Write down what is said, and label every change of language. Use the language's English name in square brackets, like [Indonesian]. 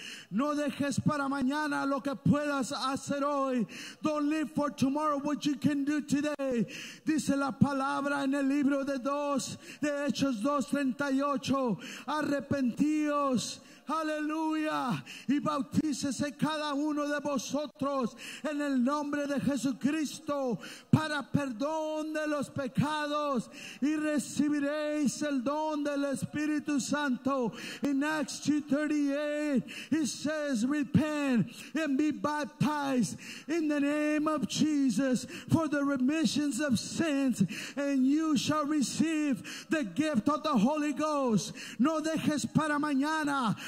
[Spanish] No dejes para mañana lo que puedas hacer hoy. [English] Don't leave for tomorrow what you can do today. [Spanish] Dice la palabra en el libro de Hechos 2:38. Arrepentíos. Aleluya. Y bautícese cada uno de vosotros en el nombre de Jesucristo para perdón de los pecados y recibiréis el don del Espíritu Santo. [English] In Acts 2:38, it says, repent and be baptized in the name of Jesus for the remissions of sins, and you shall receive the gift of the Holy Ghost. [Spanish] No dejes para mañana